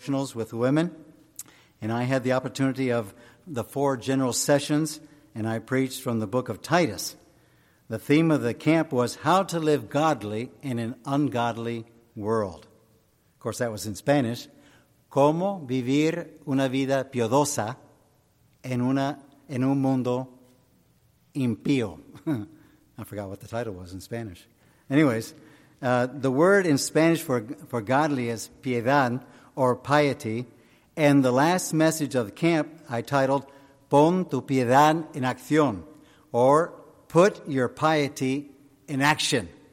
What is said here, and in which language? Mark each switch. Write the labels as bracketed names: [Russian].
[English] devotionals with women, and I had the opportunity of the four general sessions, and I preached from the book of Titus. The theme of the camp was how to live godly in an ungodly world. Of course, that was in Spanish. [Spanish] ¿Cómo vivir una vida piadosa en un mundo impío? [English] I forgot what the title was in Spanish. Anyways, the word in Spanish for godly is piedad or piety. And the last message of the camp I titled, [Spanish] Pon tu piedad en acción, [English] or put your piety in action.